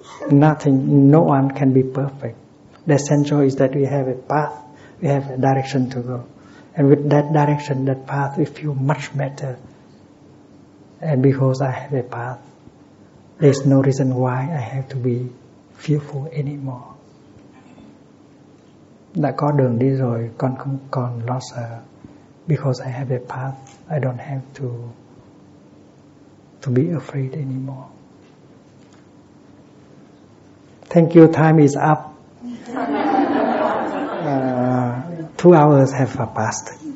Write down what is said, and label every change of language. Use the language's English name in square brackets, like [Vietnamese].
[English] Nothing, no one can be perfect. The essential is that we have a path, we have a direction to go. And with that direction, that path, we feel much better. And because I have a path, there's no reason why I have to be fearful anymore. [Vietnamese] Đã có đường đi rồi, con không còn lo sợ. [English] Because I have a path, I don't have to be afraid anymore. Thank you, time is up. 2 hours have passed.